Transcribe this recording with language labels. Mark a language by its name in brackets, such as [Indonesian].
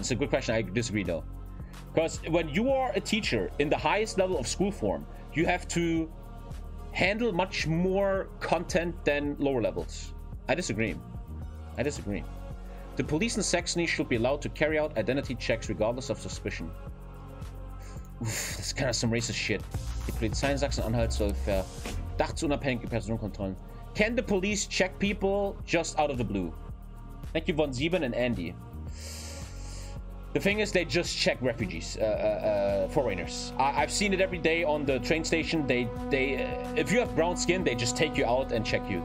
[English] It's a good question. I disagree, though. Because when you are a teacher in the highest level of school form, you have to handle much more content than lower levels. I disagree. The police in Saxony should be allowed to carry out identity checks regardless of suspicion. Oof, that's kind of some racist shit. [German] Die Polizei in Sachsen-Anhalt soll verdachtsunabhängige Personenkontrollen. [English] Can the police check people just out of the blue? Thank you, Von Sieben and Andy. The thing is, they just check refugees, foreigners. I've seen it every day on the train station. If you have brown skin, they just take you out and check you.